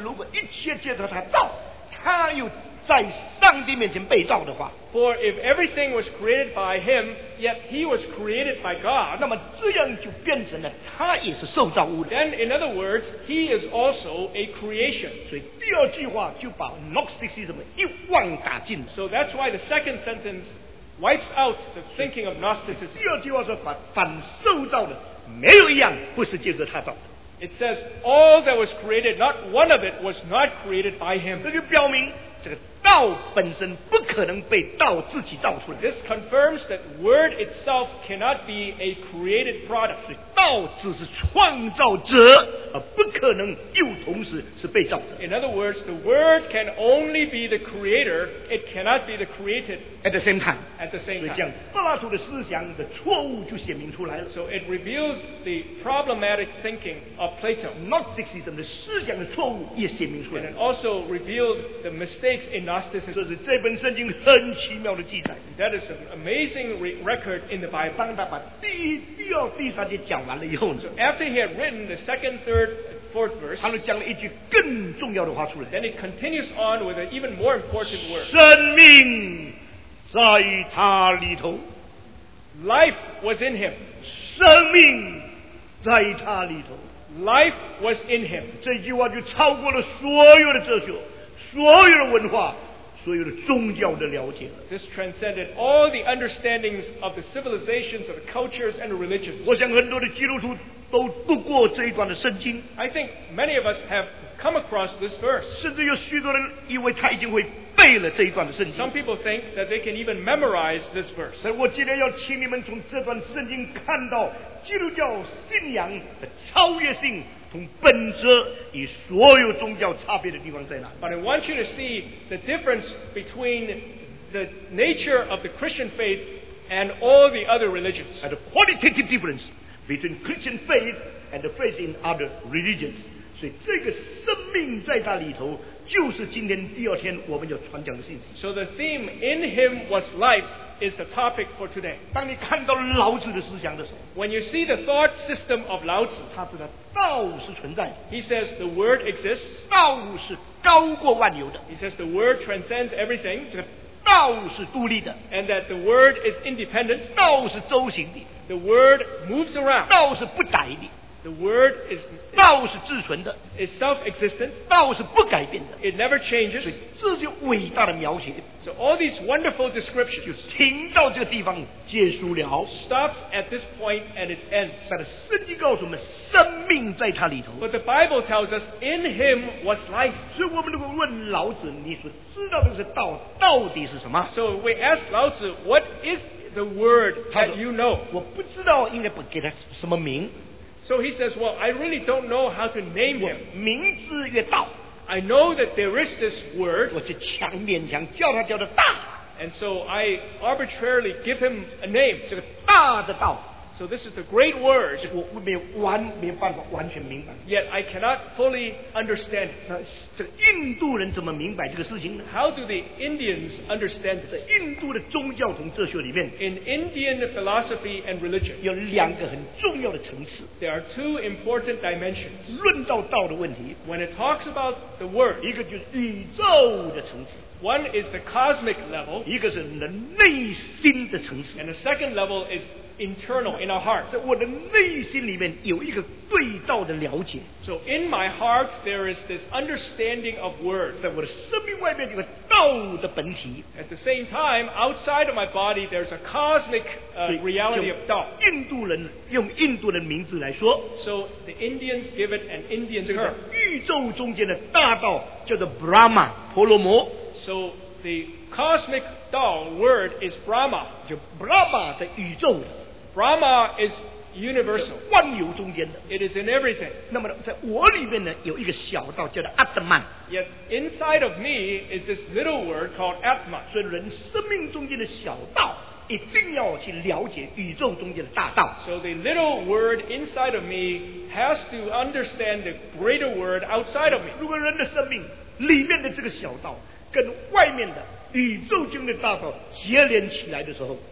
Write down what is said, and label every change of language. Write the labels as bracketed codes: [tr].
[zh] 如果一切借着他造, 他又在上帝面前被造的话, [en] for if everything was created by him, yet he was created by God, [zh] 那么这样就变成了他也是受造物的, [en] then in other words, he is also a creation. [zh] 所以第二句话就把Gnosticism一网打尽了, [en] so that's why the second sentence wipes out the thinking of Gnosticism. [zh] 第二句话说反受造的没有一样不是借着他造的, [en] it says, all that was created, not one of it was not created by him. [zh] 道本身不可能被道自己造出来。 [en] This confirms that word itself cannot be a created product. [zh] 所以道只是创造者，而不可能又同时是被造的。 [en] In other words, the word can only be the creator. It cannot be the created. At the same time. At the same time. [zh] 所以这样，柏拉图的思想的错误就显明出来了。 [en] So it reveals the problematic thinking of Plato. [zh] Gnosticism 的思想的错误也显明出来了。 [en] And it also revealed the mistakes in Gnosticism. [zh] 这是这本圣经很奇妙的记载。 [en] That is an amazing record in the Bible. [zh] 当他把第一、第二、第三节讲完了以后呢 [en] ？So after he had written the second, third, fourth verse, [zh] 他就讲了一句更重要的话出来。 [en] Then he continues on with an even more important word. [zh] 生命在他里头。 [en] Life was in him. [zh] 生命在他里头。 [en] Life was in him. [zh] 这句话就超过了所有的哲学，所有的文化，所有的宗教的了解了。 [en] This transcended all the understandings of the civilizations, of the cultures, and the religions. [zh] 我想很多的基督徒都读过这一段的圣经。 [en] I think many of us have come across this verse. [zh] 甚至有许多人以为他已经会背了这一段的圣经。 [en] Some people think that they can even memorize this verse. [zh] 但我今天要请你们从这段圣经看到基督教信仰的超越性。从本质与所有宗教差别的地方在哪 [en] ？But I want you to see the difference between the nature of the Christian faith and all the other religions. And the qualitative difference between Christian faith and the faith in other religions. [zh] 所以这个生命在它里头，就是今天第二天我们要传讲的信息。 [en] So the theme in him was life. Is the topic for today. [zh] 当你看到老子的思想的时候 [en] When you see the thought system of 老子 [zh] 他知道道是存在的 [en] He says the word exists [zh] 道是高过万有的 [en] He says the word transcends everything [zh] 这个道是独立的 [en] And that the word is independent [zh] 道是周行的 [en] The word moves around [zh] 道是不改的 [en] The word is [zh] 道是自存的 [en] Is self-existent [zh] 道是不改变的 [en] It never changes [zh] 所以这就伟大的描写 [en] So all these wonderful descriptions [zh] 就停到这个地方结束了 [en] stops at this point and it ends. [zh] 但是圣经告诉我们，生命在他里头。 [en] But the Bible tells us in him was life. [zh] 所以我们如果问老子，你所知道的这个道到底是什么 [en] ？So we ask 老子 what is the word that you know? [zh] 我不知道应该不给他什么名。 [en] So he says, well, I really don't know how to name him. [zh] 名字曰道。 [en] I know that there is this word. [zh] 我就强勉强叫他叫的大。 [en] And so I arbitrarily give him a name. [zh] 这个大的道。 [en] So this is the great word. [zh] 我没办法完全明白。 [en] Yet I cannot fully understand. [zh] 这个印度人怎么明白这个事情呢 [en] ？How do the Indians understand this? [zh] 印度的宗教从哲学里面。 [en] In Indian philosophy and religion. [zh] 有两个很重要的层次。 [en] There are two important dimensions. [zh] 论到道的问题。 [en] When it talks about the word. [zh] 一个就是宇宙的层次。 [en] One is the cosmic level. [zh] 一个是人内心的层次。 [en] And the second level is. Internal in our hearts. [zh] 在我的内心里面有一个对道的了解。 [en] So in my heart there is this understanding of word. [zh] 在我的生命外面有个道的本体。 [en] At the same time, outside of my body, there's a cosmic reality of 道。 [zh] 印度人用印度人名字来说。 [en] So the Indians give it an Indian term. [zh] 宇宙中间的大道叫做 Brahma, 婆罗摩。 [en] So the cosmic 道 word is Brahma. [zh] 就 Brahma 在宇宙的。 [en] Brahma is universal. [zh] 万有中间的。 [en] It is in everything. [zh] 那么在我里面呢，有一个小道叫做 Atman. [en] Yet inside of me is this little word called Atman. [zh] 所以人生命中间的小道，一定要去了解宇宙中间的大道。 [en] So the little word inside of me has to understand the greater word outside of me. [zh] 如果人的生命里面的这个小道跟外面的宇宙中的大道接连起来的时候